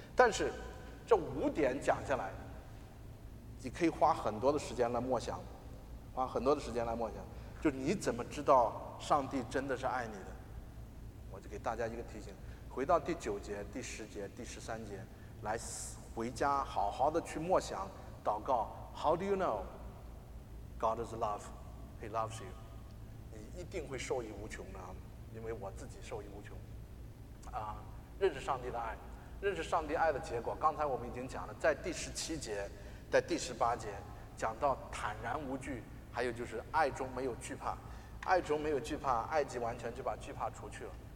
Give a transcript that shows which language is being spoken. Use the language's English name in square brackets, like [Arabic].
[Chinese] 但是这五点讲下来，你可以花很多的时间来默想，花很多的时间来默想，就你怎么知道上帝真的是爱你的。我就给大家一个提醒，回到第九节第十节第十三节来，回家好好的去默想祷告。 [English] How do you know God is love? He loves you. [Chinese] 你一定会受益无穷的，因为我自己受益无穷啊。认识上帝的爱，认识上帝爱的结果，刚才我们已经讲了，在第十七节在第十八节讲到坦然无惧，还有就是爱中没有惧怕，爱中没有惧怕，爱即完全，就把惧怕除去了。